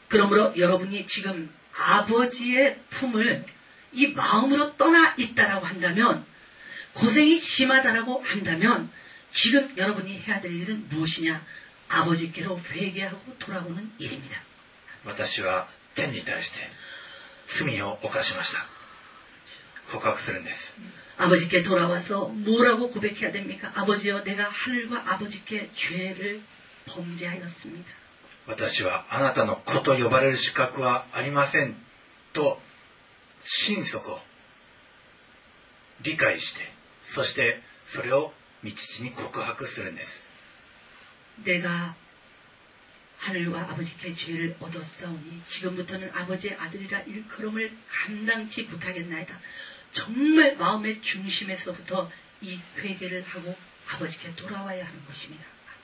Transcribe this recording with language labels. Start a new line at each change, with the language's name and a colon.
Korean: 그러므로여러분이지금아버지의품을이마음으로떠나있다라고한다면고생이심하다라고한다면지금여러분이해야될일은무엇이냐아버지께로회개하고돌아오는일입니다
Japanese: 私は天に対して罪を犯しました告白するんです
Korean: 아버지께돌아와서뭐라고고백해야됩니까아버지여내가하늘과아버지께죄를 범죄하였습니다
Japanese: 私はあなたの子と呼ばれる資格はありませんと心底理解して、そしてそれを御父に告白するんです。
Korean: 내가하늘과아버지께죄를얻었사오니지금부터는아버지의아들이라일컬음을감당치못하겠나이다정말마음의중심에서부터이회개를하고아버지께돌아와야하는것입니다